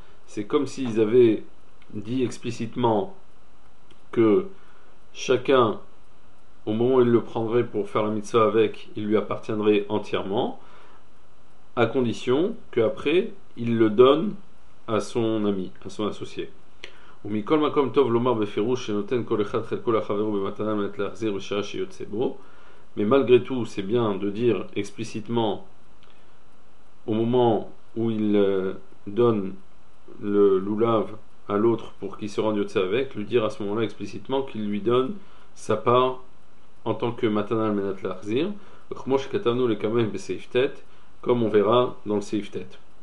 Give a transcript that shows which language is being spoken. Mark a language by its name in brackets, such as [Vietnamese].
[French] C'est comme s'ils avaient dit explicitement que chacun, au moment où il le prendrait pour faire la mitzvah avec, il lui appartiendrait entièrement, à condition qu'après, il le donne à son ami, à son associé. [Hebrew] ומכל מקום טוב לומר בפירוש שנותן כל אחד חלקו לחברו במתנה מנת להחזיר בשעה שיוצא בו. [French] Mais malgré tout, c'est bien de dire explicitement au moment où il donne le loulav à l'autre pour qu'il se rende yotze avec, lui dire à ce moment-là explicitement qu'il lui donne sa part en tant que matanah menat l'arzir, [Hebrew] כמו שכתבנו לקמם בסעיף ט', [French] comme on verra dans le סעיף ט'.